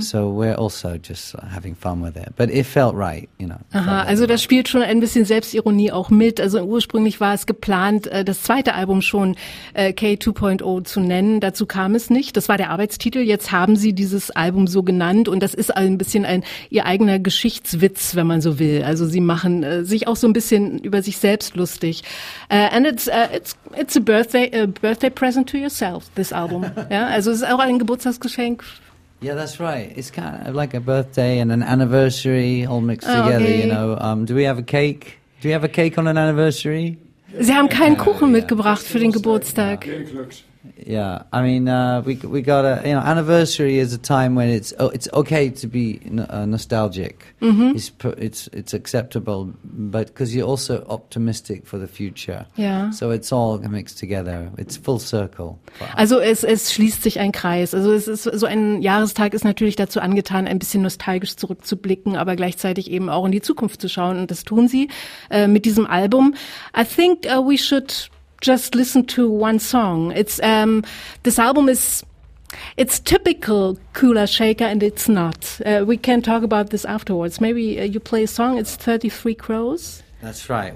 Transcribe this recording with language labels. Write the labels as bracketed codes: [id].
[en] So we're also just having fun with it. But it felt right, you know. [de] Aha, also das spielt schon ein bisschen Selbstironie auch mit. Also ursprünglich war es geplant, das zweite Album schon K2.0 zu nennen. Dazu kam es nicht. Das war der Arbeitstitel. Jetzt haben sie dieses Album so genannt. Und das ist ein bisschen ihr eigener Geschichtswitz, wenn man so will. Also sie machen sich auch so ein bisschen über sich selbst lustig. [en] And it's a birthday present to yourself, this album. [de] Ja, also es ist auch ein Geburtstagsgeschenk. [en] Yeah, that's right. It's kind of like a birthday and an anniversary all mixed together, okay. You know. Do we have a cake? Do we have a cake on an anniversary? [de] Sie haben keinen Kuchen mitgebracht für den Geburtstag. [en] Yeah, I mean, we got a, you know, anniversary is a time when it's okay to be nostalgic. Mm-hmm. It's acceptable, but because you're also optimistic for the future. Yeah. So it's all mixed together. It's full circle. [de] Also es schließt sich ein Kreis. Also es ist so ein Jahrestag ist natürlich dazu angetan, ein bisschen nostalgisch zurückzublicken, aber gleichzeitig eben auch in die Zukunft zu schauen. Und das tun sie mit diesem Album. [en] I think we should just listen to one song. It's this album is, it's typical Kula Shaker and it's not. We can talk about this afterwards. Maybe you play a song. It's 33 Crows. That's right.